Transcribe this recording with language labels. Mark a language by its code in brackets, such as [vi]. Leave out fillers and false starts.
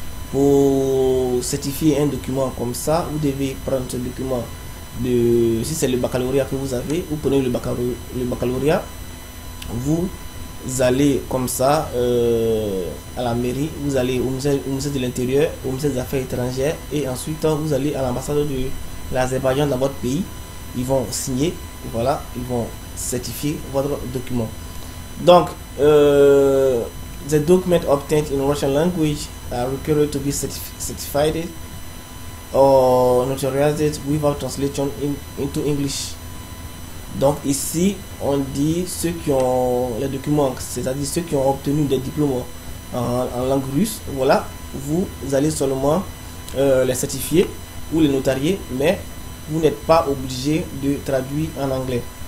[fr] Pour certifier un document comme ça, vous devez prendre ce document de, si c'est le baccalauréat que vous avez, vous prenez le baccalauréat, vous allez comme ça à la mairie, vous allez au musée de l'intérieur, au musée des affaires étrangères, et ensuite vous allez à l'ambassade de l'Azerbaïdjan dans votre pays. Ils vont signer, voilà, ils vont certifier votre document. [en] Donc, the document obtained in Russian language are required to be certified or notarized without translation into English. [fr] Donc ici, on dit ceux qui ont les documents, c'est-à-dire ceux qui ont obtenu des diplômes en langue russe, voilà, vous allez seulement les certifier ou les notarier, mais vous n'êtes pas obligé de traduire en anglais.